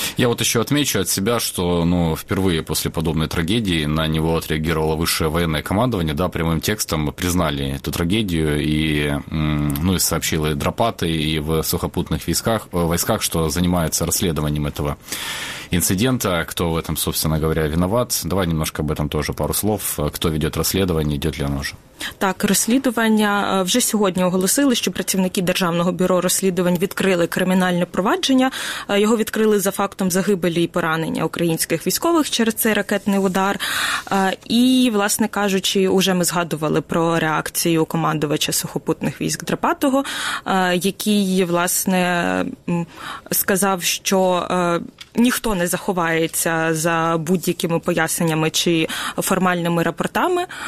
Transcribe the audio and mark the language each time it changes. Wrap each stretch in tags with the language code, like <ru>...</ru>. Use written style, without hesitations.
<uk>Я от ще отмечу від себе, що впервые після подобної трагедії на нього отреагувало вище воєнне командування, да, прямим текстом признали ту трагедію і, і сообщили дропати і в сухопутних військах, що займаються</uk> <ru>расследованием этого инцидента, кто в этом, собственно говоря, виноват. Давай немножко об этом тоже пару слов. Кто ведет расследование, идет ли оно уже?</ru> <uk>Так, розслідування вже сьогодні оголосили, що працівники Державного бюро розслідувань відкрили кримінальне провадження. Його відкрили за фактом загибелі і поранення українських військових через цей ракетний удар. І, власне кажучи, уже ми згадували про реакцію командувача сухопутних військ Драпатого, який, власне, сказав, що ніхто не заховається за будь-якими поясненнями чи формальними рапортами.</uk>